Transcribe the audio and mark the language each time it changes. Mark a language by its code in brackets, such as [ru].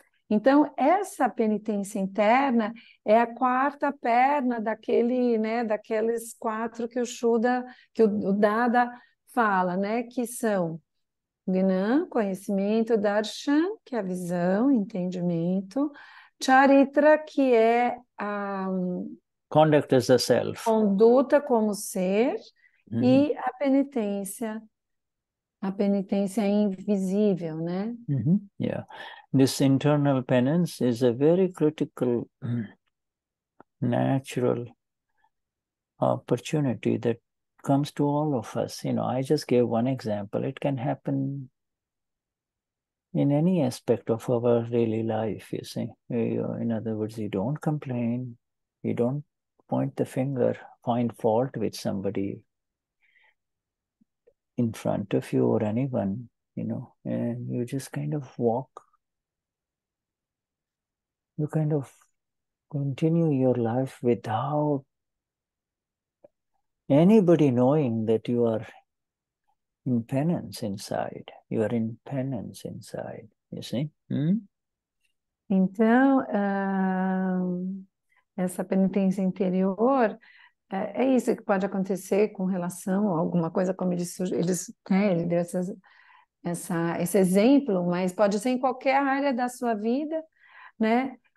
[pt] Então, essa penitência interna é a quarta perna daquele, né, daqueles quatro que o Shuddha, que o Dada fala, né, que são Gnan, conhecimento, Darshan, que é a visão, entendimento, Charitra, que é a... [en] Conduct as a self. [pt] Conduta como ser, e a penitência invisível, né? [en] Yeah. This internal penance is a very critical natural opportunity that comes to all of us. You know, I just gave one example. It can happen in any aspect of our daily life, you see. In other words, you don't complain, you don't point the finger, find fault with somebody. in front of you or anyone, you know, and you just kind of walk. You kind of continue your life without anybody knowing that you are in penance inside. You are in penance inside, you see? [pt] Então, essa penitência interior, é isso que pode acontecer com relação a alguma coisa, como ele deu esse exemplo, mas pode ser em qualquer área da sua vida, né?